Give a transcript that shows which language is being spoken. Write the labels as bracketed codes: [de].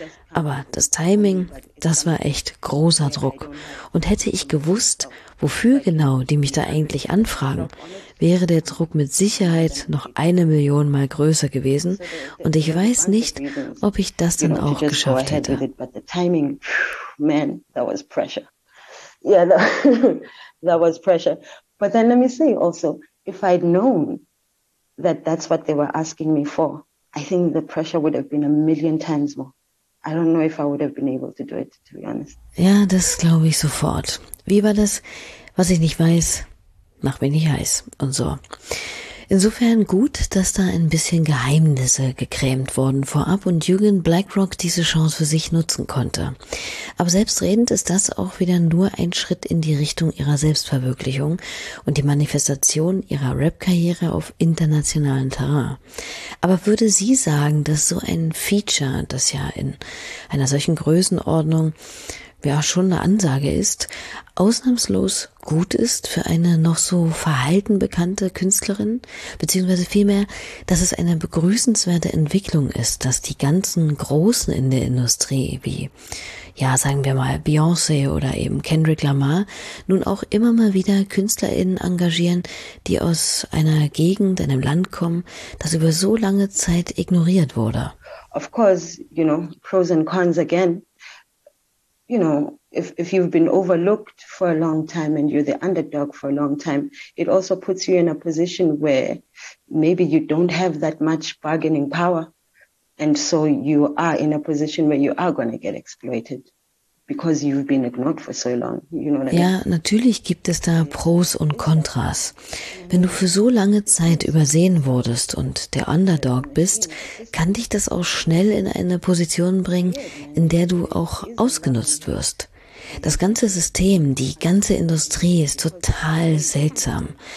[de] Aber das Timing, das war echt großer Druck. Und hätte ich gewusst, wofür genau die mich da eigentlich anfragen, wäre der Druck mit Sicherheit noch 1 Million Mal größer gewesen. Und ich weiß nicht, ob ich das dann auch geschafft hätte. [en] But the timing, man, that was pressure. Yeah, that was pressure. But then let me say also, if I'd known that that's what they were asking me for, I think the pressure would have been 1 million times more. I don't know if I would have been able to do it, to be honest. [de] Ja, das glaube ich sofort. Wie war das? Was ich nicht weiß, macht mich nicht heiß und so. Insofern gut, dass da ein bisschen Geheimnisse gekrämt wurden vorab und Jürgen Blackrock diese Chance für sich nutzen konnte. Aber selbstredend ist das auch wieder nur ein Schritt in die Richtung ihrer Selbstverwirklichung und die Manifestation ihrer Rap-Karriere auf internationalen Terrain. Aber würde sie sagen, dass so ein Feature, das ja in einer solchen Größenordnung ja schon eine Ansage ist, ausnahmslos gut ist für eine noch so verhalten bekannte Künstlerin, beziehungsweise vielmehr, dass es eine begrüßenswerte Entwicklung ist, dass die ganzen Großen in der Industrie, wie, ja, sagen wir mal, Beyoncé oder eben Kendrick Lamar, nun auch immer mal wieder KünstlerInnen engagieren, die aus einer Gegend, einem Land kommen, das über so lange Zeit ignoriert wurde. [en] Of course, you know, pros and cons again. You know, if you've been overlooked for a long time and you're the underdog for a long time, it also puts you in a position where maybe you don't have that much bargaining power. And so you are in a position where you are going to get exploited because you've been ignored for so long. You know what I mean? [de] Ja, natürlich gibt es da Pros und Kontras. Wenn du für so lange Zeit übersehen wurdest und der Underdog bist, kann dich das auch schnell in eine Position bringen, in der du auch ausgenutzt wirst. Das ganze System, die ganze Industrie ist total seltsam.